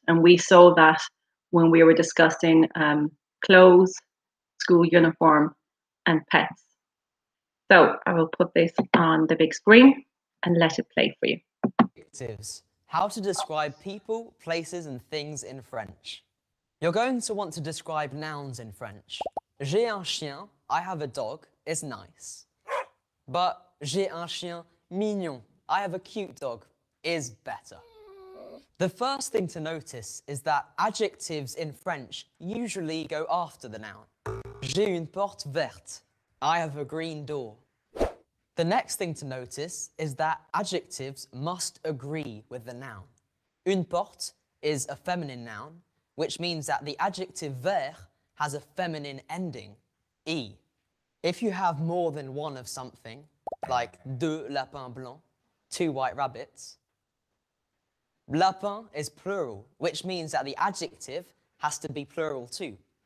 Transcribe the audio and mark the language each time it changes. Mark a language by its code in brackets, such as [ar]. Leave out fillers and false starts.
[en] And we saw that when we were discussing clothes, school uniform, and pets. So I will put this on the big screen and let it play for you. Adjectives. How to describe people, places, and things in French. You're going to want to describe nouns in French. [fr] J'ai un chien, [en] I have a dog, is nice. But [fr] j'ai un chien mignon, [en] I have a cute dog, is better. The first thing to notice is that adjectives in French usually go after the noun. [fr] J'ai une porte verte, [en] I have a green door. The next thing to notice is that adjectives must agree with the noun. [fr] Une porte [en] is a feminine noun, which means that the adjective vert has a feminine ending, e. If you have more than one of something, like [fr] deux lapins blancs, [en] two white rabbits, lapin is plural, which means that the adjective has to be plural too.